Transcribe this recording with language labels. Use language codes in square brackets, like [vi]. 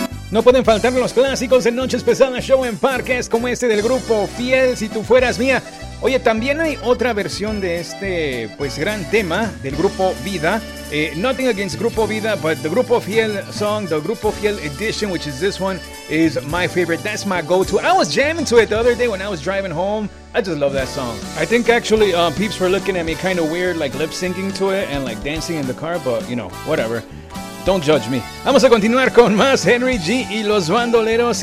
[es] No pueden faltar los clásicos de Noches Pesadas Show en Parques, como este del grupo Fiel, Si Tú Fueras Mía. Oye, también hay otra versión de este, pues, gran tema del grupo Vida. [en] Nothing against grupo Vida, but the grupo Fiel song, the grupo Fiel edition, which is this one, is my favorite. That's my go-to. I was jamming to it the other day when I was driving home. I just love that song. I think actually peeps were looking at me kind of weird, like lip-syncing to it and like dancing in the car, but you know, whatever. Don't judge me. [es] Vamos a continuar con más Henry G y los Bandoleros.